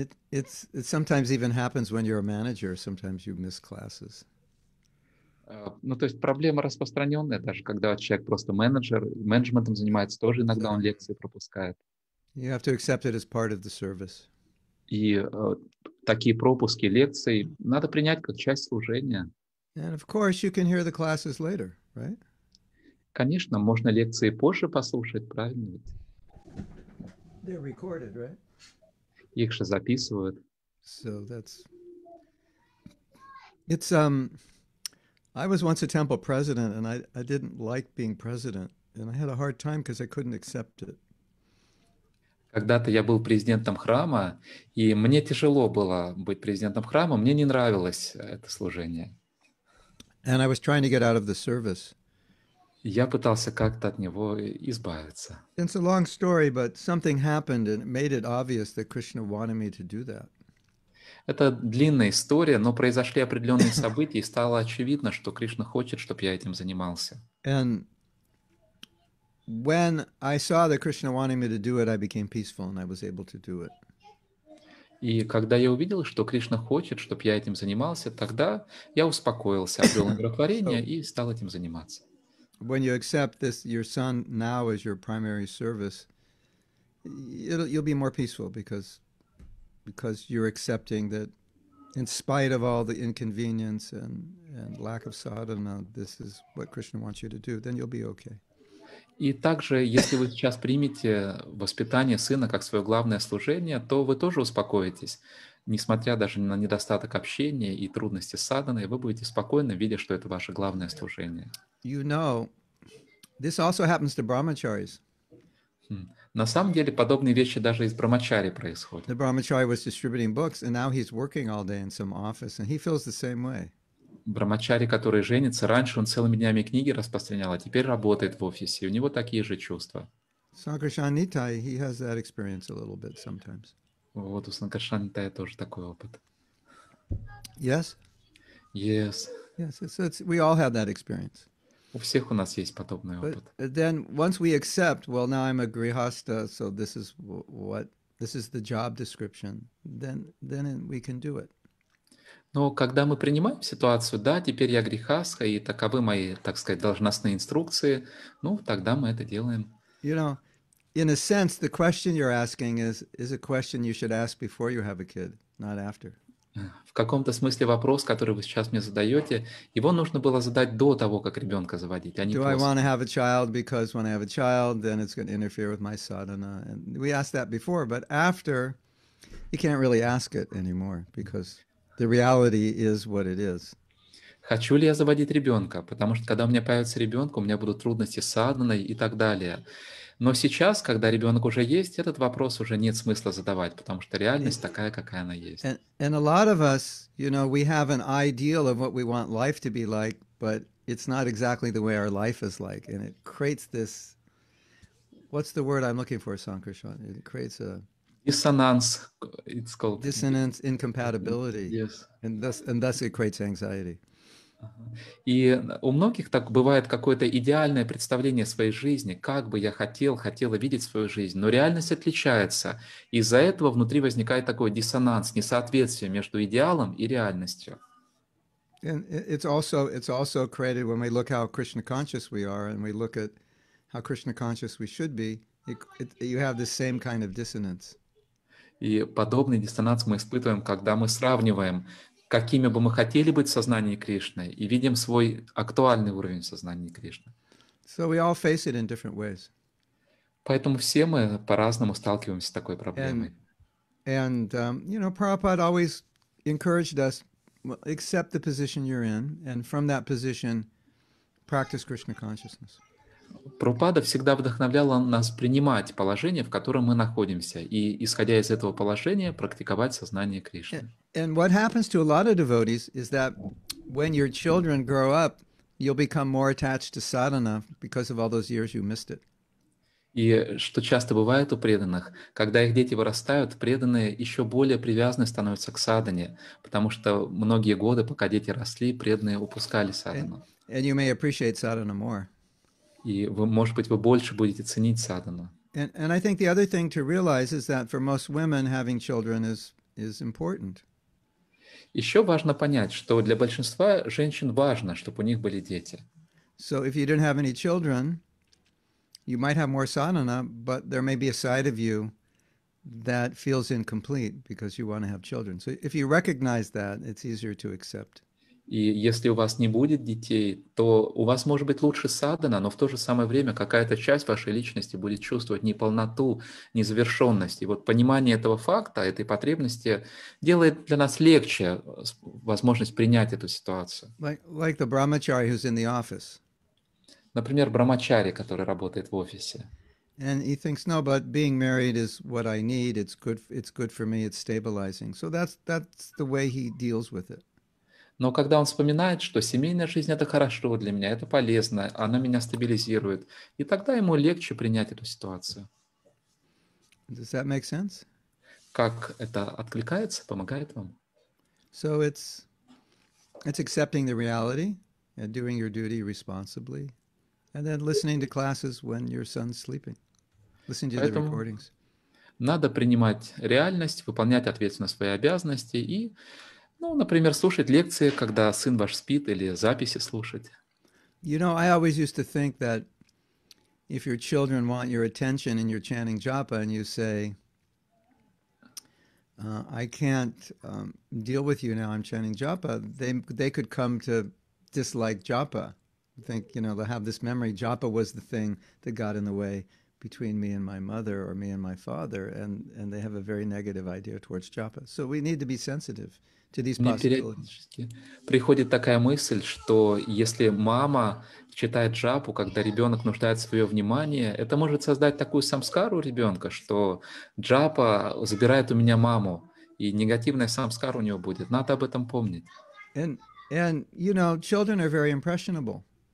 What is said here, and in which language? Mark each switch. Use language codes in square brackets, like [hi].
[en] It sometimes even happens when you're a manager. Sometimes you miss classes. [ru] Ну, то есть проблема распространенная, даже когда человек просто менеджер, менеджментом занимается, тоже иногда он лекции пропускает. [en] You have to accept it as part of the service. [ru] И такие пропуски лекций надо принять как часть служения. [en] And of course, you can hear the classes later, right? [ru] Конечно, можно лекции позже послушать, правильно ведь? [en] They're recorded, right? [ru] Их же записывают. [en] So that's... It's, I was once a temple president, and I didn't like being president. And I had a hard time because I couldn't accept it. [ru] Когда-то я был президентом храма, и мне тяжело было быть президентом храма. Мне не нравилось это служение. [en] And I was trying to get out of the service. [ru] Я пытался как-то от него избавиться. [en] It's a long story, but something happened and it made it obvious that Krishna wanted me to do that. [ru] Это длинная история, но произошли определенные события, и стало очевидно, что Кришна хочет, чтобы я этим занимался. [en] And when I saw that Krishna wanted me to do it, I became peaceful and I was able to do it. [ru] И когда я увидел, что Кришна хочет, чтобы я этим занимался, тогда я успокоился, обрел умиротворение и стал этим заниматься. [en] When you accept this, your son now as your primary service, you'll be more peaceful because you're accepting that in spite of all the inconvenience and lack of sadhana, this is what Krishna wants you to do, then you'll be okay. [ru] И также, если вы сейчас примете воспитание сына как свое главное служение, то вы тоже успокоитесь, несмотря даже на недостаток общения и трудности с садханой, вы будете спокойны, видя, что это ваше главное служение. [en] You know, this also happens to brahmacharis. [ru] На самом деле, подобные вещи даже из брахмачари происходят. [en] The brahmachari was distributing books, and now he's working all day in some office, and he feels the same way. [ru] Брахмачари, который женится, раньше он целыми днями книги распространял, а теперь работает в офисе, и у него такие же чувства. [en] Sankarshanitai, he has that experience a little bit sometimes. [ru] Вот у Sankarshanitai тоже такой опыт. [en] Yes? Yes. Yes, it's, we all have that experience. [ru] У всех у нас есть подобный опыт. [en] But then once we accept, well, now I'm a grihastha, so this is what, this is the job description, then we can do it. [ru] Но когда мы принимаем ситуацию, да, теперь я грехастха, и таковы мои, так сказать, должностные инструкции, ну, тогда мы это делаем. [en] You know, in a sense, the question you're asking is a question you should ask before you have a kid, not after. [ru] В каком-то смысле вопрос, который вы сейчас мне задаете, его нужно было задать до того, как ребенка заводить, а не после. [en] Do I want to have a child? Because when I have a child, then it's going to interfere with my sadhana. And we asked that before, but after, you can't really ask it anymore, because... The reality is what it is. [ru] Хочу ли я заводить ребенка? Потому что когда у меня появится ребенок, у меня будут трудности с садханой и так далее. Но сейчас, когда ребенок уже есть, этот вопрос уже нет смысла задавать, потому что реальность такая, какая она есть. [en] And a lot of us, you know, we have an ideal of what we want life to be like, but it's not exactly the way our life is like, and it creates this. What's the word I'm looking for, Sankarshan? It creates a Dissonance, it's called. Dissonance, incompatibility. Yes. And thus it creates anxiety. [ru] И у многих так бывает какое-то идеальное представление своей жизни, как бы я хотела видеть свою жизнь, но реальность отличается. Из-за этого внутри возникает такой диссонанс, несоответствие между идеалом и реальностью. [en] And it's also created when we look how Krishna conscious we are and we look at how Krishna conscious we should be, you have the same kind of dissonance. [ru] И подобный диссонанс мы испытываем, когда мы сравниваем, какими бы мы хотели быть в сознании Кришны, и видим свой актуальный уровень в сознании Кришны. [en] So we all face it in different ways. [ru] Поэтому все мы по-разному сталкиваемся с такой проблемой. [en] And Prabhupada always encouraged us, accept the position you're in, and from that position, practice Krishna consciousness. [ru] Прабхупада всегда вдохновляла нас принимать положение, в котором мы находимся, и, исходя из этого положения, практиковать сознание Кришны. [en] And what happens to a lot of devotees is that when your children grow up, you'll become more attached to sadhana because of all those years you missed it. [ru] И что часто бывает у преданных, когда их дети вырастают, преданные еще более привязаны становятся к садхане, потому что многие годы, пока дети росли, преданные упускали садхану. [en] And you may appreciate sadhana more. [ru] И, вы, может быть, вы больше будете ценить садхану. [en] And I think the other thing to realize is that for most women, having children is important. [ru] Еще важно понять, что для большинства женщин важно, чтобы у них были дети. [en] So if you didn't have any children, you might have more sadhana, but there may be a side of you that feels incomplete because you want to have children. So if you recognize that, it's easier to accept. [ru] И если у вас не будет детей, то у вас может быть лучше садхана, но в то же самое время какая-то часть вашей личности будет чувствовать неполноту, незавершенность. И вот понимание этого факта, этой потребности, делает для нас легче возможность принять эту ситуацию. [en] Like the brahmachari who's in the office. [ru] Например, брахмачари, который работает в офисе. [en] And he thinks, no, but being married is what I need, it's good for me, it's stabilizing. So that's the way he deals with it. [ru] Но когда он вспоминает, что семейная жизнь – это хорошо для меня, это полезно, она меня стабилизирует, и тогда ему легче принять эту ситуацию. [en] Does that make sense? [ru] Как это откликается, помогает вам? [en] So it's accepting the reality and doing your duty responsibly, and then listening to classes when your son's sleeping, listening to the recordings. [ru] Надо принимать реальность, выполнять ответственность свои обязанности и, ну, например, слушать лекции, когда сын ваш спит, или записи слушать. [en] You know, I always used to think that if your children want your attention and you're chanting japa and you say, I can't deal with you now, I'm chanting japa, they could come to dislike japa. I think, you know, they'll have this memory, japa was the thing that got in the way between me and my mother or me and my father, and they have a very negative idea towards japa. So we need to be sensitive to these possibilities. [ru] Приходит такая мысль, что если мама читает джапу, когда ребенок нуждает свое внимание, это может создать такую самскару ребенка, что джапа забирает у меня маму, и негативная самскара у него будет. Надо об этом помнить. [en] And you know, children are very impressionable.